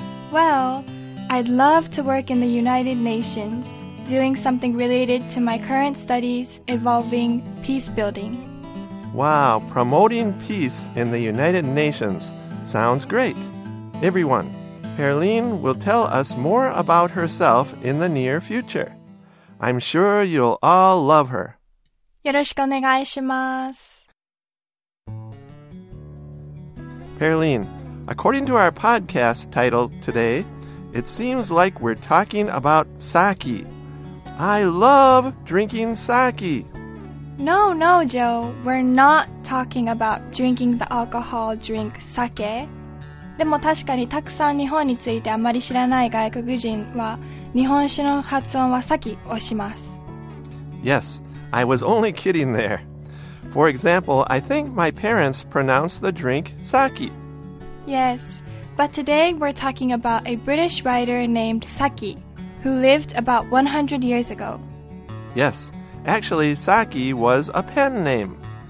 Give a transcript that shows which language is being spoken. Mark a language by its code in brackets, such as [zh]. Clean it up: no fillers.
[en] Well, I'd love to work in the United Nations, doing something related to my current studies involving peace building. Wow, promoting peace in the United Nations sounds great. Everyone, Pearline will tell us more about herself in the near future. I'm sure you'll all love her. [ja] よろしくお願いします。 [en] Pearline, according to our podcast titled today, it seems like we're talking about sake. I love drinking sake. No, Joe. We're not talking about drinking the alcohol drink sake. [ja] でも確かにたくさん日本についてあまり知らない外国人は日本酒の発音は sake をします。 [en] Yes, I was only kidding there. For example, I think my parents pronounce the drink sake. Yes. But today we're talking about a British writer named Saki, who lived about 100 years ago. Yes, actually Saki was a pen name.